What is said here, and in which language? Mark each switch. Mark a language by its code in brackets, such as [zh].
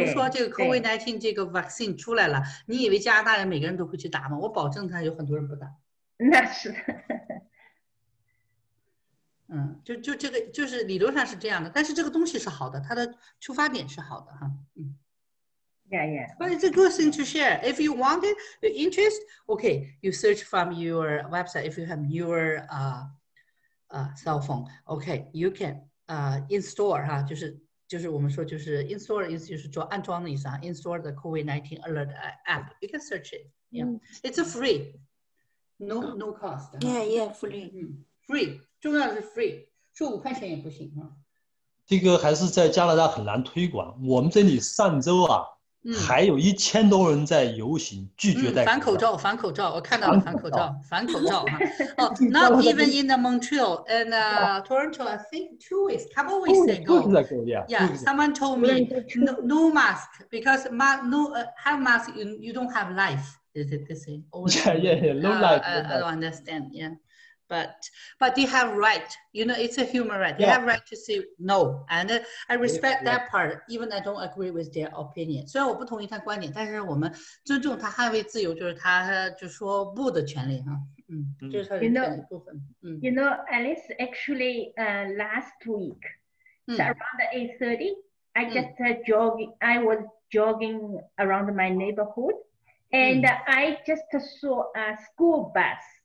[zh] 比如说这个 COVID-19 这个 vaccine 出来了，你以为加拿大人每个人都会去打吗？我保证他有很多人不打。那是。就这个就是理论上是这样的，但是这个东西是好的，它的出发点是好的哈。 [en] Yeah, but it's a good thing to share. If you want it, the interest, okay, you search from your website. If you have your cell phone, okay, you can install [zh] 哈，就是我们说就是 install 的意思，就是做安装的意思啊。 [en] Install the COVID-19 alert app. You can search it. Yeah, it's a free, no cost. Yeah, free. [zh] Free. 重要的是 free， 收5块钱也不行啊。这个还是在加拿大很难推广。我们这里上周啊，还有1000多人在游行，拒绝戴口罩。反口罩，反口罩，我看到了反口罩，反口罩啊。 [en] Oh, not even in the Montreal and Toronto. I think couple weeks ago. Yeah, someone told me no mask because have mask you don't have life. Is it the same? No life. I don't understand. Yeah. But they have right, you know, it's a human right. They have right to say no. And I respect that part, even I don't agree with their opinion. [zh] 虽然我不同意他观点，但是我们尊重他捍卫自由，就是他就说不的权利。 [en] You know, Alice, actually, last week, around 8:30, I just jogging around my neighborhood, and I just saw a school bus